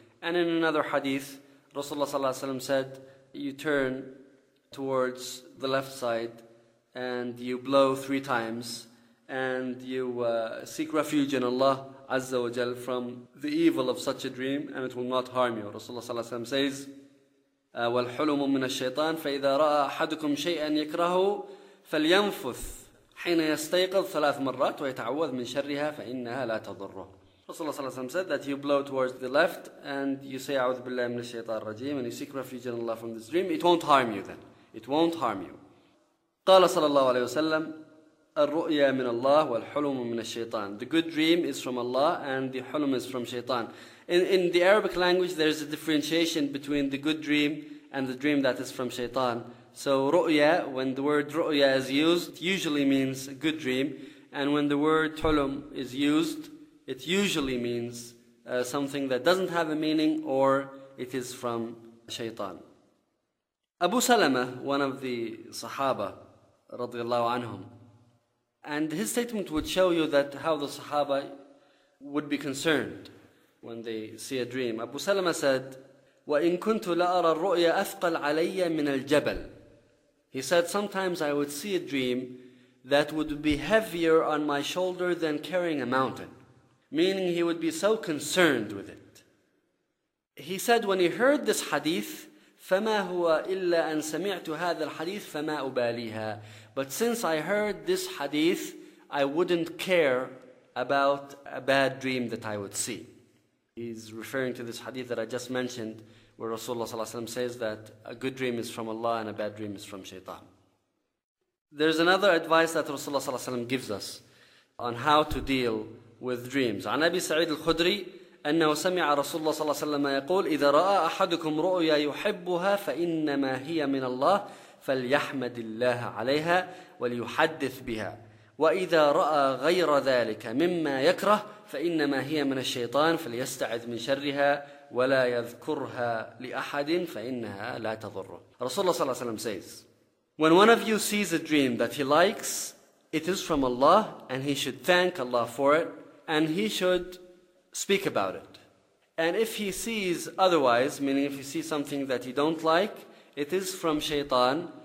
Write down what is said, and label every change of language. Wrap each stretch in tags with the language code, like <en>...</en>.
<en>And in another hadith, Rasulullah</en> <ar>صلى الله عليه وسلم</ar> <en>said, you turn towards the left side and you blow three times and you seek refuge in Allah</en> <ar>عز وجل</ar> <en>from the evil of such a dream and it will not harm you.</en> <ar>Rasulullah صلى الله عليه وسلم says, وَالْحُلُمُ مِّنَ الشَّيْطَانِ فَإِذَا رَأَى أَحَدُكُمْ شَيْئًا يَكْرَهُ فَلْيَنْفُثْ حِينَ يَسْتَيْقَظْ ثَلَاث مَرَّاتْ وَيَتَعَوَّذْ مِنْ شَرِّهَا فَإِنَّهَا لَا تَضُرُّهُ.</ar> <en>Rasulullah</en> <ar>صلى الله عليه وسلم</ar> <en>said that you blow towards the left and you say</en> <ar>أعوذ بالله من الشيطان الرجيم</ar> <en>and you seek refuge in Allah from this dream, it won't harm you then. It won't harm you.</en> <ar>قال صلى الله عليه وسلم الرؤيا من الله والحلم من الشيطان.</ar> <en>The good dream is from Allah and the حلم is from شيطان. In the Arabic language, there is a differentiation between the good dream and the dream that is from shaitan. So رؤيا, when the word رؤيا is used, usually means a good dream. And when the word حلم is used, it usually means something that doesn't have a meaning or it is from shaitan. Abu Salama, one of the Sahaba, radiallahu anhum, and his statement would show you that how the Sahaba would be concerned when they see a dream.</en> <ar>Abu Salama said, وَإِن كُنْتُ لَأَرَى الرُّؤْيَ أَثْقَلْ عَلَيَّ مِنَ الْجَبَلِ.</ar> <en>He said, sometimes I would see a dream that would be heavier on my shoulder than carrying a mountain. Meaning he would be so concerned with it. He said when he heard this hadith,</en> <ar>فَمَا هُوَ إِلَّا أَن سَمِعْتُ هَذَا الْحَدِيثِ فَمَا أُبَالِيهَا.</ar> <en>But since I heard this hadith, I wouldn't care about a bad dream that I would see. He's referring to this hadith that I just mentioned, where Rasulullah ﷺ says that a good dream is from Allah and a bad dream is from shaitan. There's another advice that Rasulullah ﷺ gives us on how to deal with dreams.</en> <ar>عن أبي سعيد الخدري أنه سمع رسول الله صلى الله عليه وسلم يقول إذا رأى أحدكم رؤيا يحبها فإنما هي من الله فليحمد الله عليها وليحدث بها وإذا رأى غير ذلك مما يكره فإنما هي من الشيطان فليستعذ من شرها ولا يذكرها لأحد فإنها لا تضره. رسول الله صلى الله عليه وسلم</ar> <en>says, when one of you sees a dream that he likes, it is from Allah and he should thank Allah for it and he should speak about it. And if he sees otherwise, meaning if you see something that you don't like, it is from shaitan.</en>